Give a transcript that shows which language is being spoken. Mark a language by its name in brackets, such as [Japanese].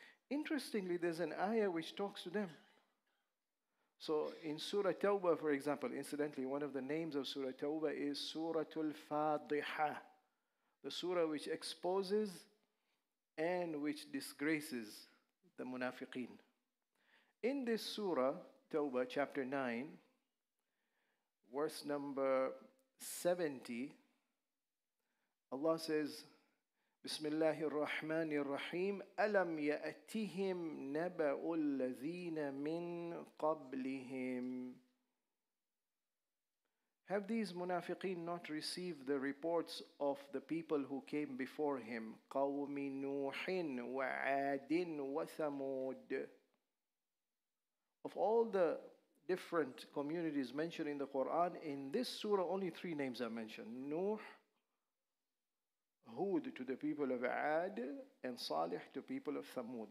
[English] Interestingly, there's an ayah which talks to them. So in Surah Tawbah, for example, incidentally, one of the names of Surah Tawbah is Suratul Fadiha, the surah which exposes and which disgraces the munafiqeen. In this Surah Tawbah, chapter 9, verse number 70, Allah says, [Arabic] بسم الله الرحمن الرحيم ألم يأتهم نبأ الذين من قبلهم. [English] Have these munafiqeen not received the reports of the people who came before him? [Arabic] قوم نوح وعاد وثمود. [English] Of all the different communities mentioned in the Quran, in this surah only three names are mentioned: Nuh, Hud to the people of Aad, and Salih to people of Thamud.